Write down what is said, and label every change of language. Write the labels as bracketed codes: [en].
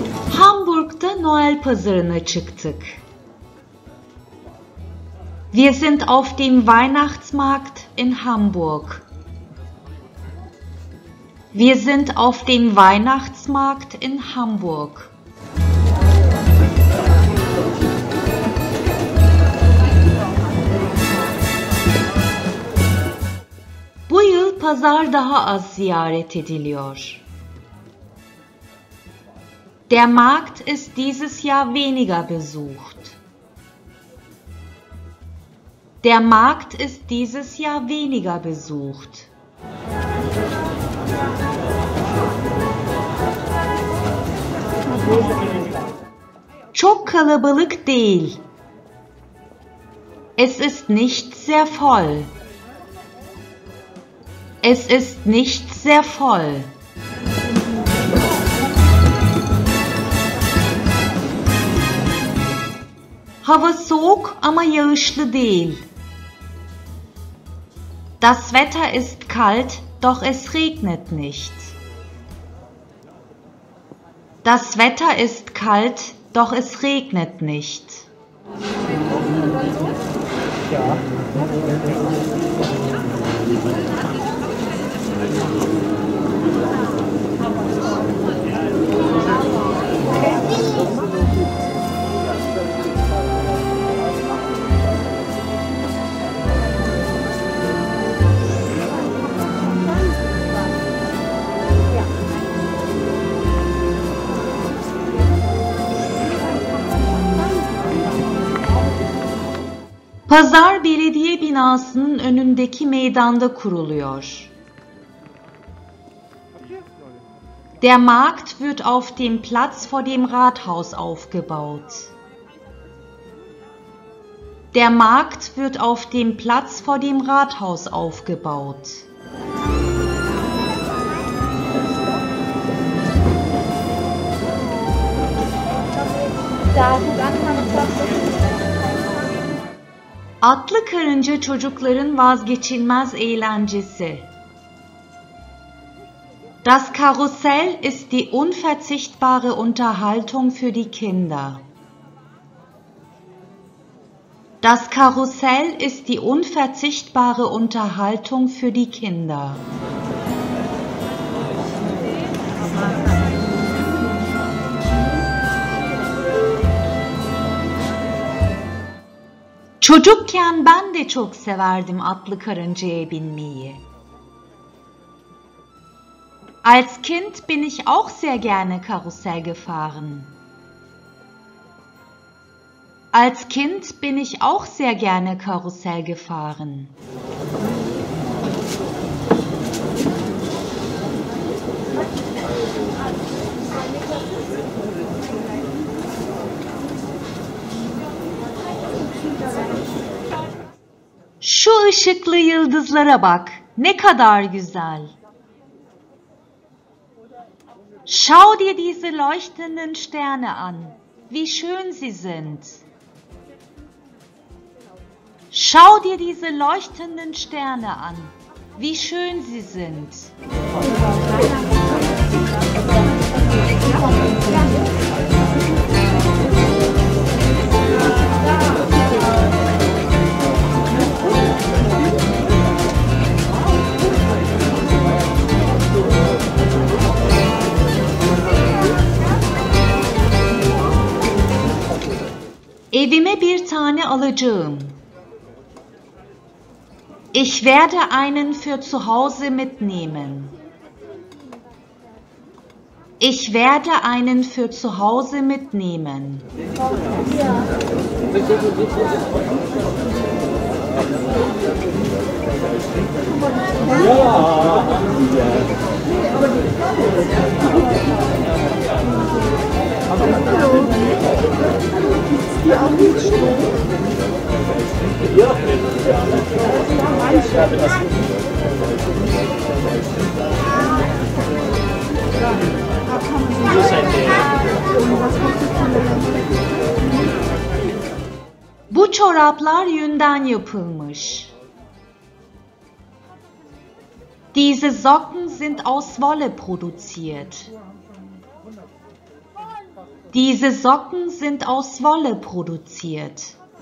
[tr] Hamburg'da Noel Pazarı'na çıktık. [de] Wir sind auf dem Weihnachtsmarkt in Hamburg. Wir sind auf dem Weihnachtsmarkt in Hamburg. [tr] Bu yıl pazar daha az ziyaret ediliyor. [de] Der Markt ist dieses Jahr weniger besucht. Der Markt ist dieses Jahr weniger besucht. [tr] Çok kalabalık değil. [de] Es ist nicht sehr voll. Es ist nicht sehr voll. [tr] Hava soğuk ama yağışlı değil. [de] Das Wetter ist kalt, doch es regnet nicht. Das Wetter ist kalt, doch es regnet nicht. [tr] Pazar belediye binasının önündeki meydanda kuruluyor. [de] Der Markt wird auf dem Platz vor dem Rathaus aufgebaut. Der Markt wird auf dem Platz vor dem Rathaus aufgebaut. [tr] Atlı karınca çocukların vazgeçilmez eğlencesi. [de] Das Karussell ist die unverzichtbare Unterhaltung für die Kinder. Das Karussell ist die unverzichtbare Unterhaltung für die Kinder. [tr] Çocukken ben de çok severdim atlı karıncaya binmeyi. [de] Als Kind bin ich auch sehr gerne Karussell gefahren. Als Kind bin ich auch sehr gerne Karussell gefahren. [tr] Şu ışıklı yıldızlara bak. Ne kadar güzel. [de] Schau dir diese leuchtenden Sterne an. Wie schön sie sind. Schau dir diese leuchtenden Sterne an. Wie schön sie sind. [tr] Evime bir tane alacağım. [de] Ich werde einen für zu Hause mitnehmen. Ich werde einen für zu Hause mitnehmen. Ja. Ja, ich habe das. [tr] Bu çoraplar yünden yapılmış. [de] Diese Socken sind aus Wolle produziert. Diese Socken sind aus Wolle produziert.